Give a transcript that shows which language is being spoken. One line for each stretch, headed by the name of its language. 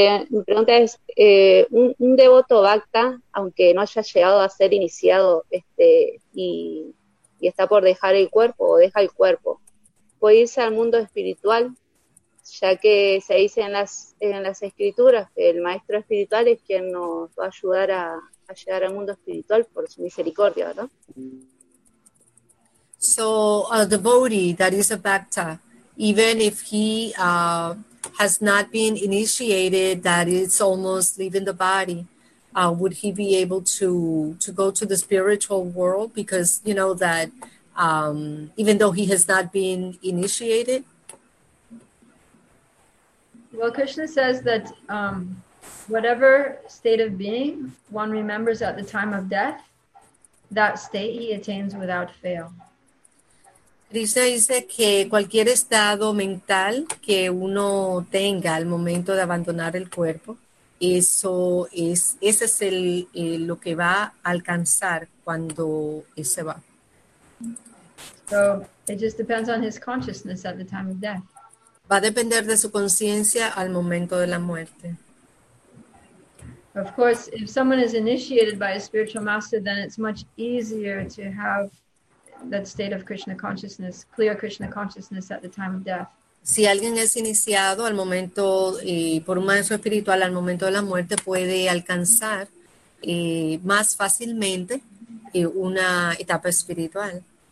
Spanish: Mi pregunta es, un devoto bhakta, aunque no haya llegado a ser iniciado y está por dejar el cuerpo o deja el cuerpo, ¿puede irse al mundo espiritual? Ya que se dice en las escrituras que el maestro espiritual es quien nos va a ayudar a llegar al mundo espiritual por su misericordia, ¿verdad?
English: So, a devotee that is a bhakta, even if he... has not been initiated, that it's almost leaving the body, would he be able to go to the spiritual world? Because, you know, that even though he has not been initiated? Well, Krishna says that whatever state of being one remembers at the time of death, that state he attains without fail.
Spanish: Krishna dice que cualquier estado mental que uno tenga al momento de abandonar el cuerpo, ese es lo que va a alcanzar cuando se va.
English: So it just depends on his consciousness at the time of death.
Spanish: Va a depender de su conciencia al momento de la muerte.
English: Of course, if someone is initiated by a spiritual master, then it's much easier to have that state of Krishna consciousness, clear Krishna consciousness at the time of death.
Spanish: Si alguien es iniciado al momento por un maestro espiritual al momento de la muerte, puede alcanzar más fácilmente una etapa espiritual.